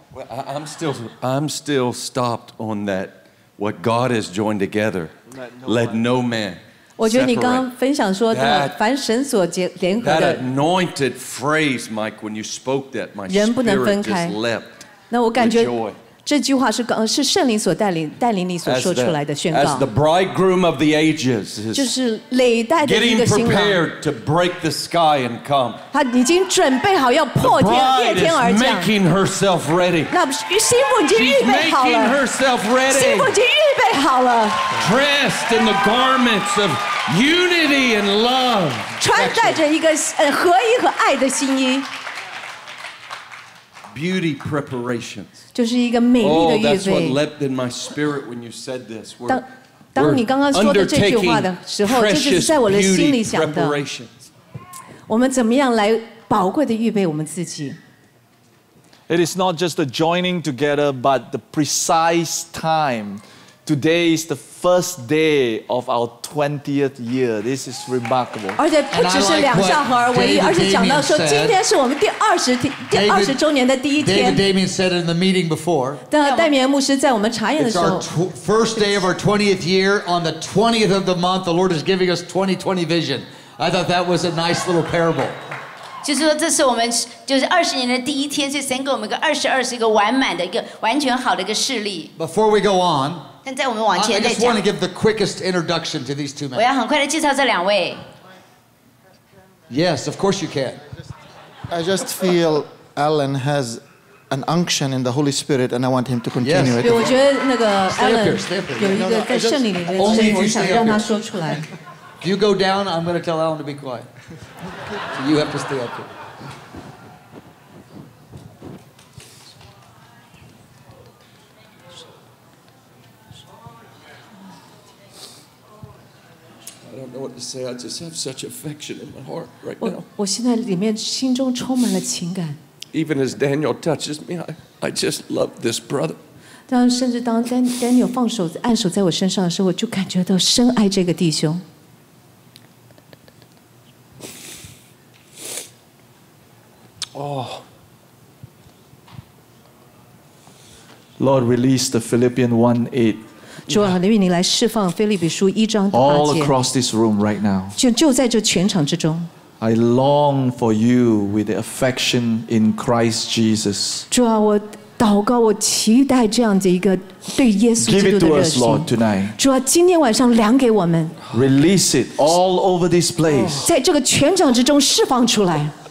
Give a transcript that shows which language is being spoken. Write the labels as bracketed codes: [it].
[en] Well, I'm still stopped on that, what God has joined together, let no man separate. That anointed phrase, Mike, when you spoke that, my spirit just leapt with joy. [zh] 这句话 是圣灵所带领你所说出来的宣告。 [en] As the bridegroom of the ages is getting prepared to break the sky and come. [zh] 他已经准备好要破天裂天而降。 [en] The bride is making herself ready. [zh] 那新妇已经预备好了。 [en] She's making herself ready. [zh] 新妇已经预备好了。 [en] Dressed in the garments of unity and love. [zh] 穿戴着一个合一和爱的新衣。 [en] Beauty preparations. [zh] 就是一个美丽的预备。 [en] Oh, that's what leapt in my spirit when you said this. [zh] 当你刚刚说的这句话的时候，就是在我的心里想的。我们怎么样来宝贵的预备我们自己？ [en] It is not just the joining together, but the precise time. Today is the first day of our 20th year. This is remarkable. [zh] 而且不只是两下合而为一，而且讲到说今天是我们第二十周年的第一天。 [en] David Damien said in the meeting before. [zh] 戴米安牧师在我们查验的时候。 [en] It's our first day of our 20th year. On the 20th of the month, the Lord is giving us 2020 vision. I thought that was a nice little parable. [zh] 就是说这是我们就是二十年的第一天，所以神给我们一个二十二是一个完满的一个完全好的一个事例。 [en] Before we go on. [zh] 但在我们往前再讲。 [en] I just want to give the quickest introduction to these two men. [zh] 我要很快的介绍这两位。 [en] Yes, of course you can. I just feel Alan has an unction in the Holy Spirit, and I want him to continue it. [zh] 对，我觉得那个 Alan 有一个在圣灵里的声音，我想让他说出来。 [en] If you go down, I'm going to tell Alan to be quiet. So you have to stay up here. I don't know what to say. I just have such affection in my heart right now. [zh] 我现在里面心中充满了情感。 [en] Even as Daniel touches me, I just love this brother. [zh] 当甚至当 Daniel 放手按手在我身上的时候，我就感觉到深爱这个弟兄。 [en] Oh, Lord, release the Philippians 1:8. [zh] 主啊，愿你来释放腓立比书一章八节。 [en] All across this room right now， [zh] 就在这全场之中。 [en] I long for you with affection in Christ Jesus。 [zh] 主啊，我祷告，我期待这样的一个对耶稣基督的热心。 [en] Give it to us, Lord, tonight。 [zh] 主啊，今天晚上量给我们。 [en] Release it all over this place。 [zh] 在这个全场之中释放出来。